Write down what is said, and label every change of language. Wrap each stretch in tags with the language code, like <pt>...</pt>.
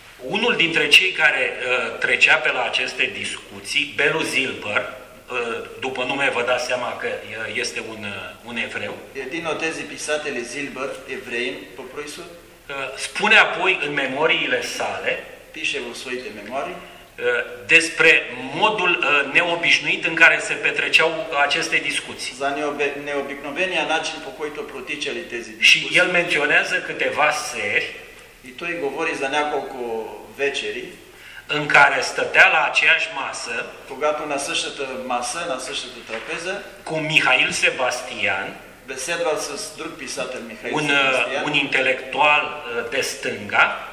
<ro>Unul dintre cei care trecea pe la aceste discuții, Belu Zilber, după nume vă dați seama că este un evreu.</ro> <bg>Един от тези писатели Зилбър, евреин по произход,</bg> <ro>spune apoi în memoriile sale,</ro> <bg>пише в своите мемории,</bg> <ro>despre modul neobișnuit în care se petreceau aceste discuții.</ro> <bg>За необикновения начин по който протичали тези дискусии.</bg> <ro>Și el menționează câteva seri,</ro> <bg>и той говори за няколко вечери,</bg> <ro>în care stătea la aceeași masă,</ro> <bg>когато на същата маса, на същата трапеза,</bg> <ro>cu Mihail Sebastian,</ro> <bg>беседвал с друг писател Михаил</bg> <ro>Себастиан, un intelectual de stânga,</ro>